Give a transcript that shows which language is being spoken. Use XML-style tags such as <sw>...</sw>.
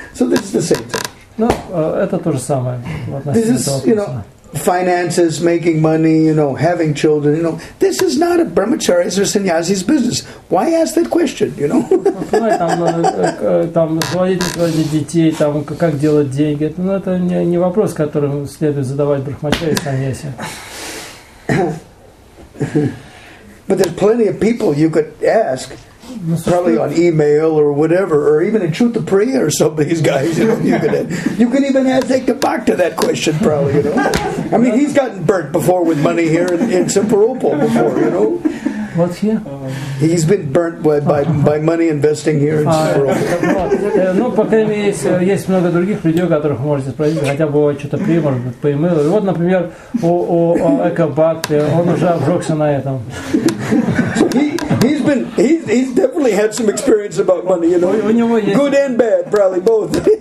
<en>So this is the same thing.</en> <ru>Ну, это то же самое.</ru> <en>This is, you know, finances, making money, you know, having children, you know. This is not a brahmacharya's or sannyasi's business. Why ask that question, you know?</en> <ru>Там заводить детей, там как делать деньги. Ну, это не вопрос, который следует задавать брахмачари саньяси.</ru> <en>But there's plenty of people you could ask. Probably on email or whatever, or even in Chuta Priya or some of these guys, you know, you can even ask Deepak to that question, probably, you know. I mean, he's gotten burnt before with money here in Simferopol before, you know. What's here? He's been burnt by money investing here in Simferopol.</en> <ru>Ну, по крайней мере, есть много других людей, которых вы можете спросить, хотя бы что-то прием, может быть, по email. Вот, например, у Экобак, он уже обжегся на этом.</ru> <en>He's definitely had some experience about money, you know. Good and bad, probably both.</en>